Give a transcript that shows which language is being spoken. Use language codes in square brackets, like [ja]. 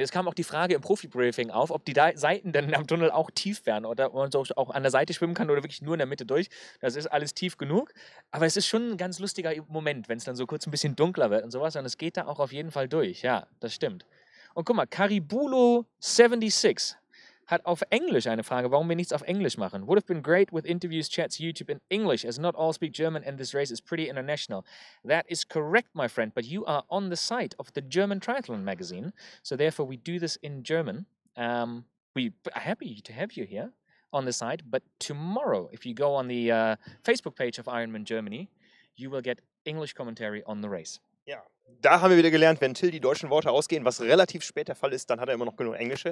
[de] Es kam auch die Frage im Profi-Briefing auf, ob die Seiten denn am Tunnel auch tief wären oder man so auch an der Seite schwimmen kann oder wirklich nur in der Mitte durch. Das ist alles tief genug. Aber es ist schon ein ganz lustiger Moment, wenn es dann so kurz ein bisschen dunkler wird und sowas. Und es geht da auch auf jeden Fall durch. Ja, das stimmt. Und guck mal, Caribulo 76 hat auf Englisch eine Frage, warum wir nichts auf Englisch machen. [en] Would have been great with interviews, chats, YouTube in English, as not all speak German and this race is pretty international. That is correct, my friend, but you are on the site of the German Triathlon magazine, so therefore we do this in German. We are happy to have you here on the site, but tomorrow, if you go on the Facebook page of Ironman Germany, you will get English commentary on the race. Yeah. [de] Da haben wir wieder gelernt, wenn Till die deutschen Worte ausgehen, was relativ spät der Fall ist, dann hat er immer noch genug Englische.